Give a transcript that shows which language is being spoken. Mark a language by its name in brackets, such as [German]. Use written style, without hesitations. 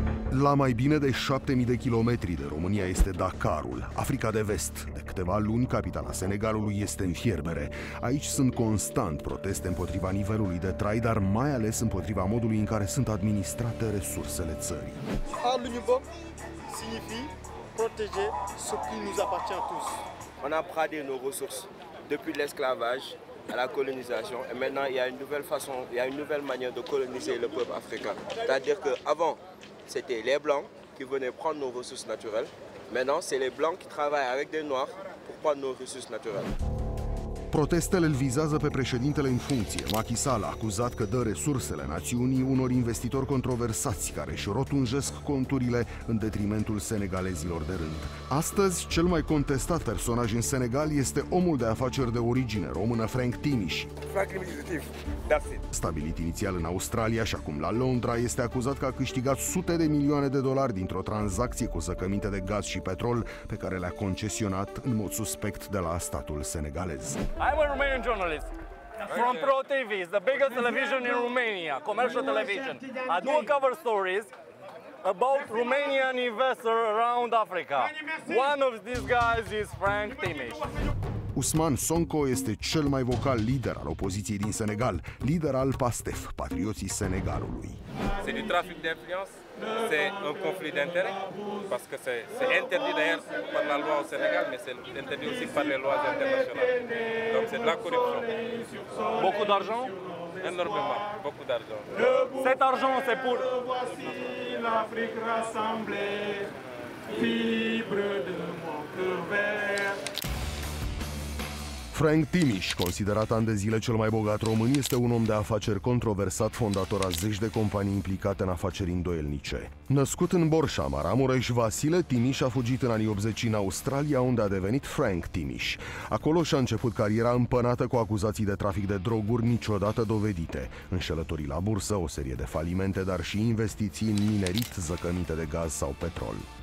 [Romanian] La mai bine de 7000 de kilometri de România este Dakarul, Africa de Vest. De câteva luni, capitala Senegalului este în fierbere. Aici sunt constant proteste împotriva nivelului de trai, dar mai ales împotriva modului în care sunt administrate resursele țării. [French] Al univom signifie protéger ce qui nous appartient tous. On a pradé nos ressources depuis l'esclavage à la colonisation et maintenant il y a une nouvelle façon, il y a une nouvelle manière de coloniser le peuple africain. C'est-à-dire que avant c'était les blancs qui venaient prendre nos ressources naturelles. Maintenant, c'est les blancs qui travaillent avec des noirs pour prendre nos ressources naturelles. [Romanian] Protestele îl vizează pe președintele în funcție, Macky Sall, acuzat că dă resursele națiunii unor investitori controversați care își rotunjesc conturile în detrimentul senegalezilor de rând. Astăzi, cel mai contestat personaj în Senegal este omul de afaceri de origine română, Frank Timiș. Stabilit inițial în Australia și acum la Londra, este acuzat că a câștigat sute de milioane de dolari dintr-o tranzacție cu zăcăminte de gaz și petrol pe care le-a concesionat în mod suspect de la statul senegalez. [English] I'm a Romanian journalist from Pro TV, it's the biggest television in Romania, commercial television. I do cover stories about Romanian investor around Africa. One of these guys is Frank Timiș. [Romanian] Ousmane Sonko este cel mai vocal lider al opoziției din Senegal, lider al PASTEF, Patrioții Senegalului. [French] C'est du trafic d'influence, c'est un conflit d'intérêt, parce que c'est interdit d'ailleurs par la loi au Sénégal, mais c'est interdit aussi par les lois internationales. Donc c'est de la corruption. Beaucoup d'argent? Énormément, beaucoup d'argent. Cet argent, c'est pour... Voici l'Afrique rassemblée, fibre de mon cœur vert. [Romanian] Frank Timiș, considerat an de zile cel mai bogat român, este un om de afaceri controversat, fondator a zeci de companii implicate în afaceri îndoielnice. Născut în Borșa, Maramureș, Vasile Timiș a fugit în anii 80 în Australia, unde a devenit Frank Timiș. Acolo și-a început cariera împănată cu acuzații de trafic de droguri niciodată dovedite, înșelătorii la bursă, o serie de falimente, dar și investiții în minerit, zăcăminte de gaz sau petrol.